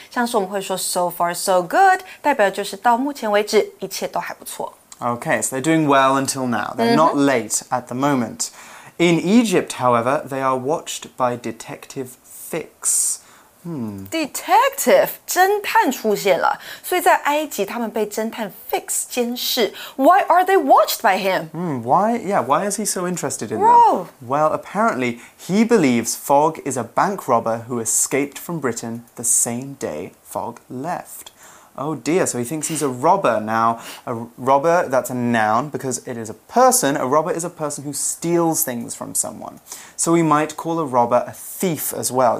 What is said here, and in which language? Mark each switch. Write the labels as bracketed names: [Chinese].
[Chinese] 像是我们会说 [English] so far so good, [Chinese] 代表就是到目前为止一切都还不错。 [English] Okay, so they're doing well until now. They're not late at the moment. In Egypt, however, they are watched by Detective Fix. [Chinese] Detective, 侦探出现了。所以在埃及，他们被侦探 Fix 监视。 [English] Why are they watched by him? Why is he so interested in them? Well, apparently, he believes Fogg is a bank robber who escaped from Britain the same day Fogg left. Oh dear, so he thinks he's a robber now. A robber, that's a noun, because it is a person. A robber is a person who steals things from someone. So we might call a robber a thief as well.